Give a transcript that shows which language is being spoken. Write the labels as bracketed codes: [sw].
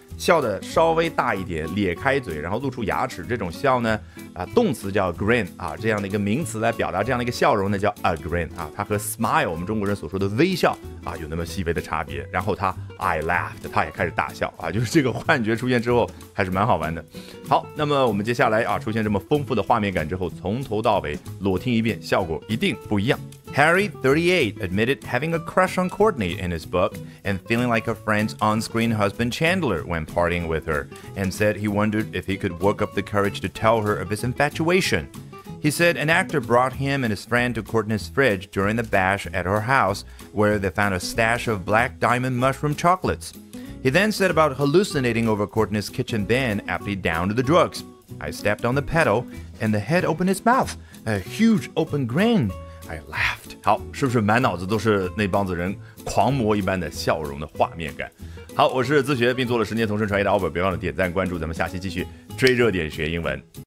[zh] 笑得稍微大一点，咧开嘴，然后露出牙齿，这种笑呢，动词叫 grin 啊，这样的一个名词来表达这样的一个笑容呢，叫 a grin 啊，它和 smile 我们中国人所说的微笑啊，有那么细微的差别。然后他 [en] I laughed， [zh] 他也开始大笑啊，就是这个幻觉出现之后，还是蛮好玩的。好，那么我们接下来啊，出现这么丰富的画面感之后，从头到尾裸听一遍，效果一定不一样。 [en] Harry, 38, admitted having a crush on Courtney in his book and feeling like a friend's on-screen husband Chandler when partying with her, and said he wondered if he could work up the courage to tell her of his infatuation. He said an actor brought him and his friend to Courtney's fridge during the bash at her house, where they found a stash of black diamond mushroom chocolates. He then said about hallucinating over Courtney's kitchen bin after he downed the drugs. I stepped on the pedal, and the head opened his mouth, a huge open grin. I laughed. [zh] 好，是不是满脑子都是那帮子人狂魔一般的笑容的画面感？好，我是自学并做了10年同声传译的 Albert， 别忘了点赞关注，咱们下期继续追热点学英文。